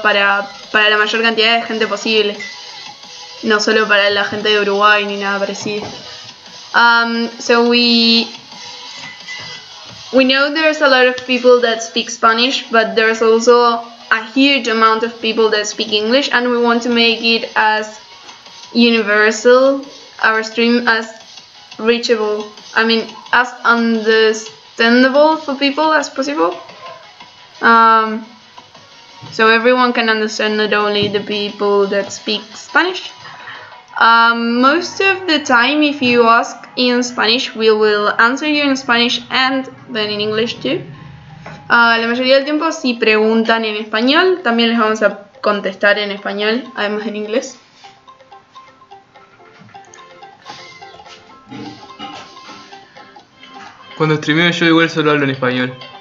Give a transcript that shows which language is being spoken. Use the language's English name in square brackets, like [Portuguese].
[Spanish] para la mayor cantidad de gente posible, no solo para la gente de Uruguay ni nada parecido. [English] So we know there's a lot of people that speak Spanish, but there's also a huge amount of people that speak English, and we want to make it as universal, our stream as reachable, I mean as understandable for people as possible. So everyone can understand, not only the people that speak Spanish. Most of the time, if you ask in Spanish, we will answer you in Spanish and then in English too. [Spanish] La mayoría del tiempo, si preguntan en español, también les vamos a contestar en español, además en inglés. Cuando streameo yo igual solo hablo en español.